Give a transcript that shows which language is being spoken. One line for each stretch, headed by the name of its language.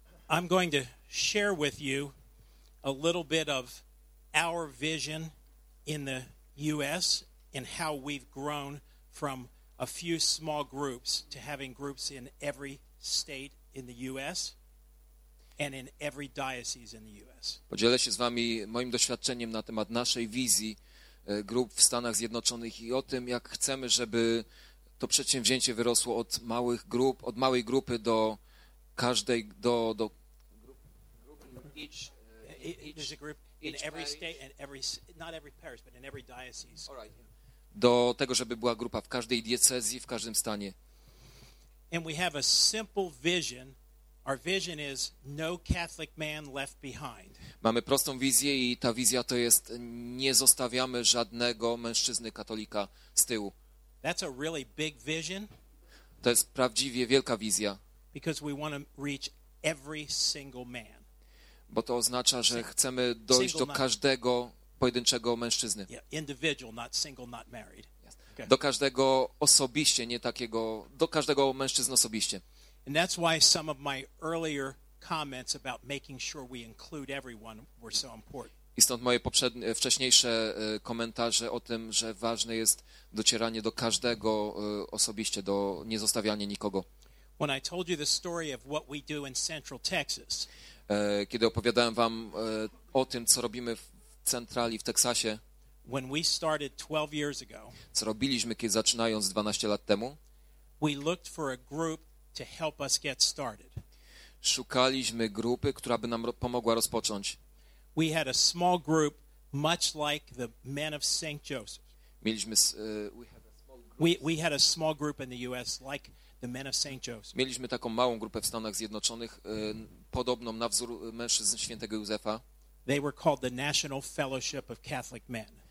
English: I'm going to share with you a little bit of our vision in the U.S. and how we've grown from a few small groups to having groups in every state in the US and in every diocese in the US.
Polish: Podzielę się z wami moim doświadczeniem na temat naszej wizji grup w Stanach Zjednoczonych i o tym, jak chcemy, żeby to przedsięwzięcie wyrosło od małych grup, od małej grupy do każdej do grupy,
English: there's a group in every state and every not every parish but in every diocese. All right.
Polish: Do tego, żeby była grupa w każdej diecezji, w każdym stanie.
English: And we have a simple vision. Our vision is no Catholic man left behind.
Polish: Mamy prostą wizję i ta wizja to jest nie zostawiamy żadnego mężczyzny katolika z tyłu.
English: That's a really big vision.
Polish: To jest prawdziwie wielka wizja.
English: Because we want to reach every single man.
Polish: Bo to oznacza, że chcemy dojść do każdego pojedynczego mężczyzny.
English: Yeah, individual, not single, not married. Yes. Okay.
Polish: Do każdego osobiście, nie takiego, do każdego mężczyzny osobiście.
English: And that's why some of my earlier comments about making sure we include everyone were so important.
Polish: I stąd moje wcześniejsze komentarze o tym, że ważne jest docieranie do każdego osobiście, do niezostawianie nikogo.
English: When I told you the story of what we do in Central Texas.
Polish: Kiedy opowiadałem wam o tym, co robimy w centrali w Teksasie.
English: When we started 12 years ago.
Polish: Co robiliśmy, kiedy zaczynając 12 lat temu?
English: We looked for a group to help us get started.
Polish: Szukaliśmy grupy, która by nam pomogła rozpocząć.
English: We had a small group much like the Men of St. Joseph.
Polish: Mieliśmy
English: we had a small group in the US like the Men of St. Joseph.
Polish: Mieliśmy taką małą grupę w Stanach Zjednoczonych podobną na wzór mężczyzn Świętego Józefa.
English: They were called the National Fellowship of Catholic Men.